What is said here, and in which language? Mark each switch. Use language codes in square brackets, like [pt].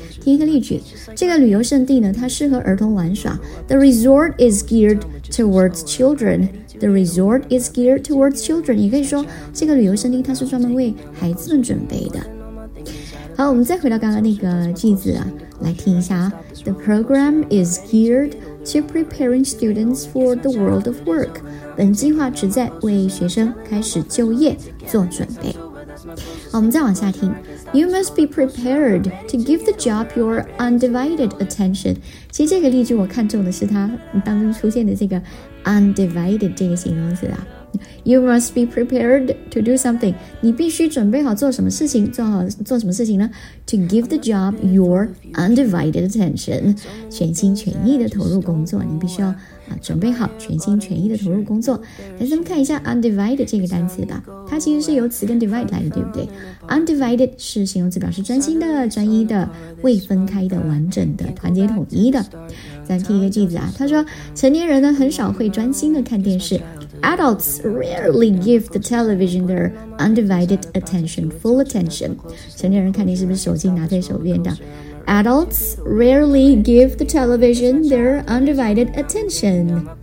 [zh] 听一个例句，这个旅游胜地呢，它适合儿童玩耍。 [en] The resort is geared towards children. The resort is geared towards children. [zh] 你可以说这个旅游胜地它是专门为孩子们准备的。好，我们再回到刚刚那个句子啊，来听一下啊。 [en] The program is geared to preparing students for the world of work. [zh] 本计划旨在为学生开始就业做准备。好，我们再往下听。 [en] You must be prepared to give the job your undivided attention. [zh] 其实这个例句我看中的是它当中出现的这个 undivided 这个形容词啊。 [en] You must be prepared to do something. [zh] 你必须准备好做什么事情？做什么事情呢 ？ To give the job your undivided attention. 全心全意的投入工作，你必须要、准备好全心全意的投入工作。来，咱们看一下 undivided 这个单词吧。它其实是由词根 divide 来的，对不对 ？Undivided 是形容词，表示专心的、专一的、未分开的、完整的、团结统一的。咱听一个句子啊，他说：成年人呢，很少会专心的看电视。 [en] Adults rarely give the television their undivided attention, full attention. [zh] 成年人看电视是手机拿在手边的。 [en] Adults rarely give the television their undivided attention.